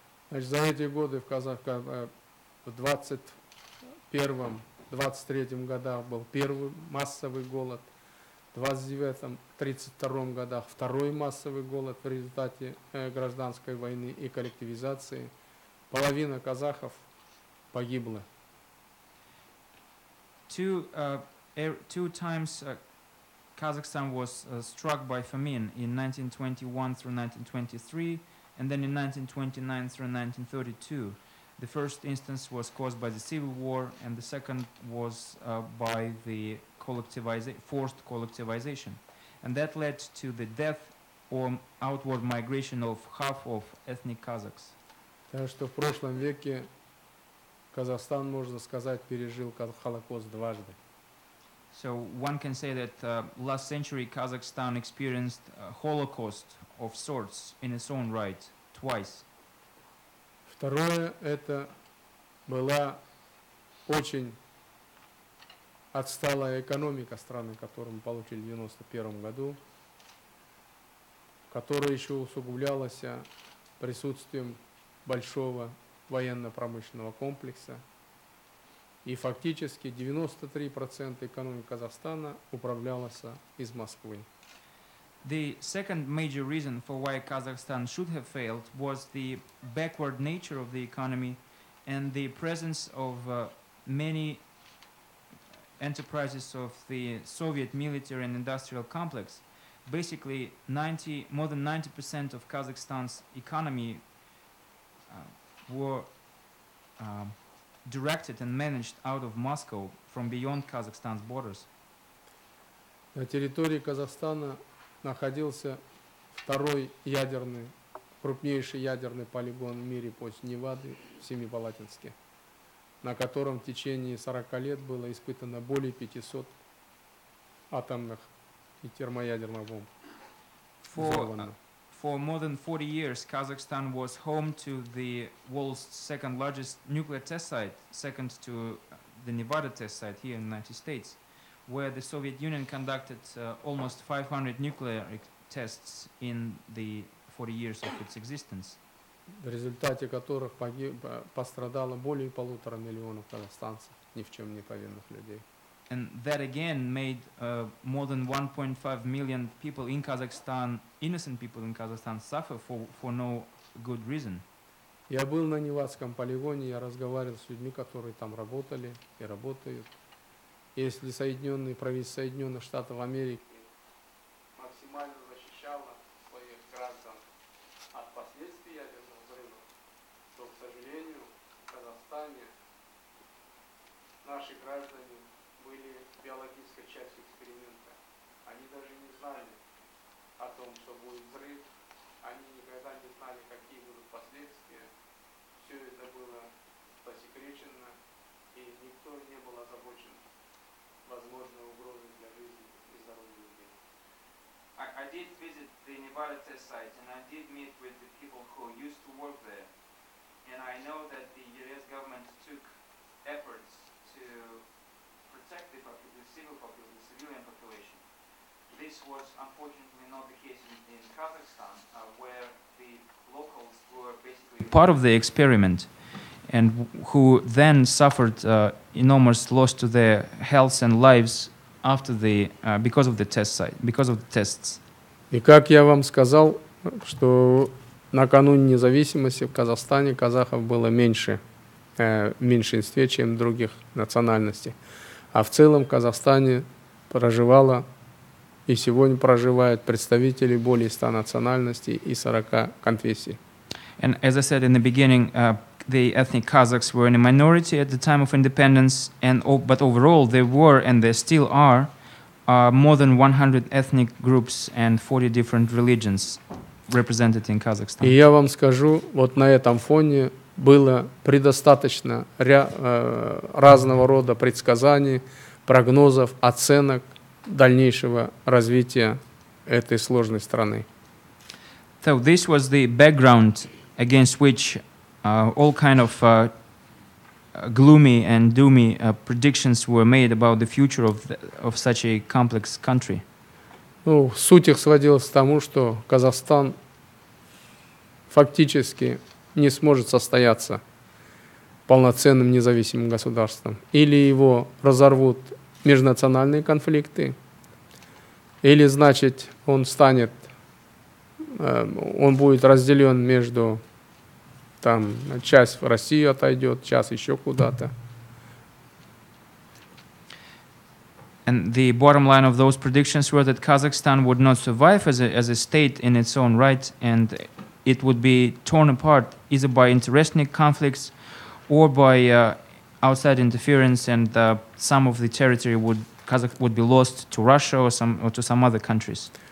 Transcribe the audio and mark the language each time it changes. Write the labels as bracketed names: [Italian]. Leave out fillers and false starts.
[Russian] Значит, за эти годы в Казахстане в 21-23 годах был первый массовый голод, в 29-32 годах второй массовый голод в результате гражданской войны и коллективизации. Половина казахов погибла. [English] Two times Kazakhstan was struck by famine in 1921 through 1923, and then in 1929 through 1932. The first instance was caused by the civil war, and the second was by the forced collectivization. And that led to the death or outward migration of half of ethnic Kazakhs. [Russian] Так что в прошлом веке Казахстан, можно сказать, пережил Холокост дважды. [English] So one can say that last century Kazakhstan experienced a Holocaust of sorts in its own right twice. [Russian] Второе, это была очень отсталая экономика страны, которую мы получили в 91 году, которая еще усугублялась присутствием большого военно-промышленного комплекса. И фактически 93% экономики Казахстана управлялась из Москвы. [English] The second major reason for why Kazakhstan should have failed was the backward nature of the economy and the presence of many enterprises of the Soviet military and industrial complex. Basically, more than 90% of Kazakhstan's economy were directed and managed out of Moscow from beyond Kazakhstan's borders. [Russian] На территории Казахстана находился второй ядерный, крупнейший ядерный полигон в мире после Невады в Семипалатинске, на котором в течение 40 лет было испытано более 500 атомных и термоядерных бомб. [English] For more than 40 years, Kazakhstan was home to the world's second largest nuclear test site, second to the Nevada test site here in the United States, where the Soviet Union conducted almost 500 nuclear tests in the 40 years of its existence. [Russian] В результате которых пострадало более полутора миллионов казахстанцев, ни в чем не повинных людей. [English] And that again made more than 1.5 million people in Kazakhstan, innocent people in Kazakhstan, suffer for no good reason. [Russian] Я был на Невадском полигоне, я разговаривал с людьми, которые там работали и работают. Если правительство Соединенных Штатов Америки максимально защищало своих граждан от последствий ядерного взрыва, то, к сожалению, в Казахстане наши наши граждане были биологической частью эксперимента. Они даже не знали о том, что будет взрыв. Они никогда не знали, какие будут последствия. Все это было засекречено, и никто не был озабочен возможной угрозой для жизни и здоровья людей. [English] I did visit the Nevada test site, and I did meet with the people who used to work there. And I know that the U.S. government took efforts to protect the civilian population. This was unfortunately not the case in Kazakhstan, where the locals were basically part of the experiment, and who then suffered enormous loss to their health and lives after the because of the test site, because of the tests. [Russian] И как я вам сказал, что накануне независимости в Казахстане казахов было меньше, в меньшинстве, чем других национальностей. А в целом в Казахстане проживало и сегодня проживают представители более 100 национальностей и 40 конфессий. [English] And as I said in the beginning, the ethnic Kazakhs were in a minority at the time of independence, and but overall they were and they still are more than 100 ethnic groups and 40 different religions. Represented in Kazakhstan. [Russian] И я вам скажу, вот на этом фоне было предостаточно разного рода предсказаний, прогнозов, оценок дальнейшего развития этой сложной страны. [English] So this was the background against which all kind of gloomy and doomy predictions were made about the future of such a complex country. [Russian] Ну, суть их сводилась к тому, что Казахстан фактически не сможет состояться полноценным независимым государством. Или его разорвут межнациональные конфликты, или, значит, он станет, он будет разделен между, там, часть в Россию отойдет, часть еще куда-то. [English] And the bottom line of those predictions were that Kazakhstan would not survive as a state in its own right, and it would be torn apart either by interethnic conflicts or by outside interference, and some of the territory would be lost to Russia or to some other countries.